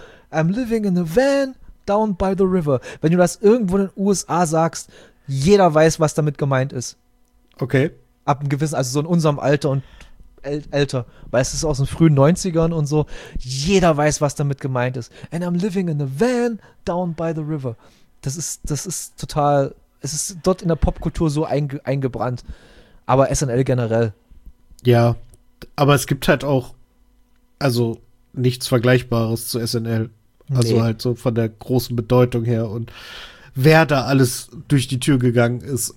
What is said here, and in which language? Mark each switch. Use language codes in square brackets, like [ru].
[en] I'm living in a van down by the river. [de] Wenn du das irgendwo in den USA sagst, jeder weiß, was damit gemeint ist. Okay. Ab einem gewissen, also so in unserem Alter und älter, weil es ist aus den frühen 90ern und so, jeder weiß, was damit gemeint ist. [en] And I'm living in a van down by the river. [de] Es ist dort in der Popkultur so eingebrannt. Aber SNL generell. Ja, aber es gibt halt auch, also nichts Vergleichbares zu SNL. Also nee. Halt so von der großen Bedeutung her und wer da alles durch die Tür gegangen ist.